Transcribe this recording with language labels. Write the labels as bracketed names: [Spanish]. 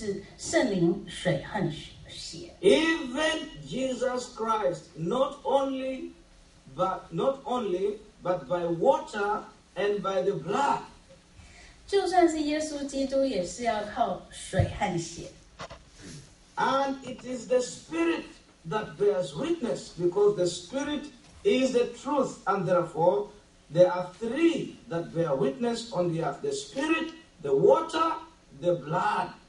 [Chinese] 做见证的原来有三,就是圣灵,水和血。 [English] Even Jesus Christ, not only, but by water and by the blood. [Chinese] 就算是耶稣基督也是要靠水和血。 [English] And it is the Spirit that bears witness, because the Spirit is the truth, and therefore there are three that bear witness on the earth, the Spirit, the water, the blood.